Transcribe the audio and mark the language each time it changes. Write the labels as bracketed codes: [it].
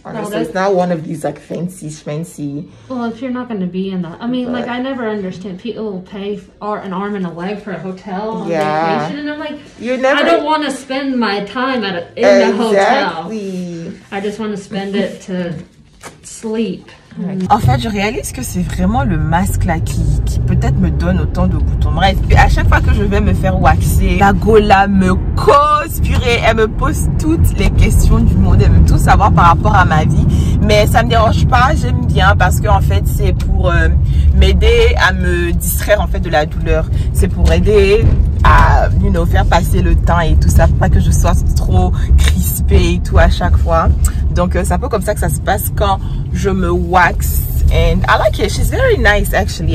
[en] Honestly, it's not one of these like fancy schmancy. Well, if you're not going to be in that, I mean, but, like, I never understand people will pay an arm and a leg for a hotel on vacation, and I'm like, I don't want to spend my time in a hotel. I just want to spend it to sleep. [fr] En fait, je réalise que c'est vraiment le masque là qui peut-être me donne autant de boutons. Bref, à chaque fois que je vais me faire waxer, la gola me cause, purée, elle me pose toutes les questions du monde, elle veut tout savoir par rapport à ma vie. Mais ça me dérange pas, j'aime bien parce que en fait, c'est pour m'aider à me distraire en fait de la douleur. C'est pour aider à, [en] you know, [fr] faire passer le temps et tout ça, pour pas que je sois trop crispée et tout à chaque fois. Donc c'est un peu comme ça que ça se passe quand je me wax. [en] And I like it, she's very nice actually.